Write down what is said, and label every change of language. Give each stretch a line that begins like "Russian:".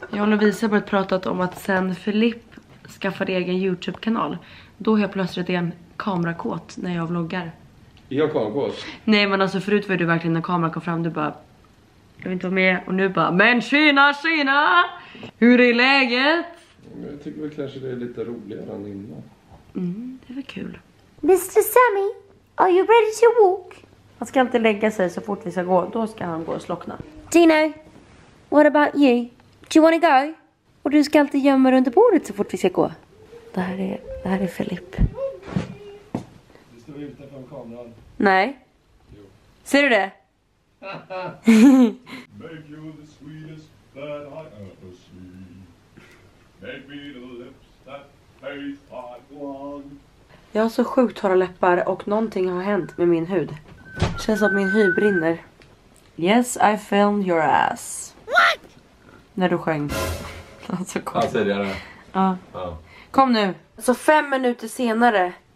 Swedish: Jag och Lovisa har pratat om att sen Filip skaffar egen YouTube-kanal, då har jag plötsligt en kamerakåt när jag vloggar. Jag kan gå. Nej, men alltså förut var du verkligen när kameran kom fram, du bara, jag vill inte vara med, och nu bara, men tjena tjena, hur är läget? Men jag tycker väl kanske det är lite roligare än innan. Det var kul.
English: Mr. Sammy, are you ready to walk?
Swedish: Han ska inte lägga sig så fort vi ska gå, då ska han gå och slockna.
English: Gino, what about you? Do you want to go?
Swedish: Och du ska alltid gömma dig under bordet så fort vi ska gå. Det här är Filip. Nej. Jo. Ser du det?
English: Make you the sweetest that I ever see. Make me the lips that taste like one.
Swedish: Jag har så sjukt torra läppar och någonting har hänt med min hud. Känns som att min hy brinner.
English: Yes, I filmed your ass. What?
Swedish: När du sjöng. Alltså kom. Han säger det här. Ja. Kom nu. Så 5 minuter senare.